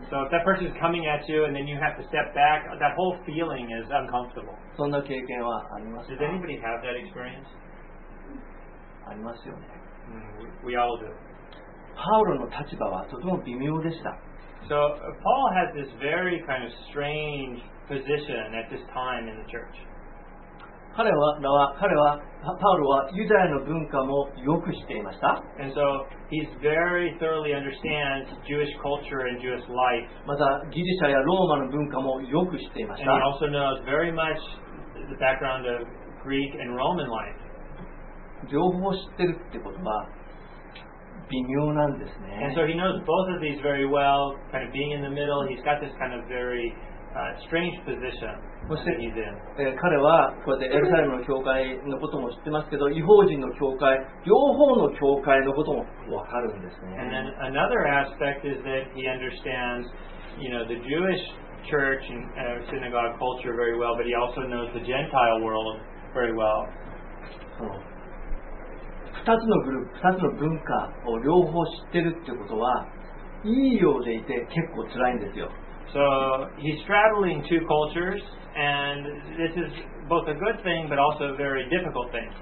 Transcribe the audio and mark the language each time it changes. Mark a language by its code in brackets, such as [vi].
[en] So if that person is coming at you and then you have to step back, that whole feeling is uncomfortable. [ja] そんな経験はありますか？ [en] Does anybody have that experience? [ja] ありますよね。 [en] We all do. [ja] パウロの立場はとても微妙でした。 [en] So, Paul has this very kind of strange position at this time in the church. [ja] 彼はパウロはユダヤの文化もよく知っていました。 [en] And so, he's very thoroughly understands Jewish culture and Jewish life. [ja] またギリシャやローマの文化もよく知っていました。 [en] And he also knows very much the background of Greek and Roman life. [ja] 情報を知ってるってことは微妙なんですね。 [en] And so he knows both of these very well, kind of being in the middle. He's got this kind of very, strange position. [ja] もし彼はこうやってエルサレムの教会のことも知ってますけど、異邦人の教会、両方の教会のこともわかるんですね。 [en] And then another aspect is that he understands, you know, the Jewish church and synagogue culture very well, but he also knows the Gentile world very well. [ja] 2つのグループ、2つの文化を両方知ってるってことはいいようでいて結構辛いんですよ。 [en] So he's traveling two cultures and this is both a good thing but also a very difficult thing.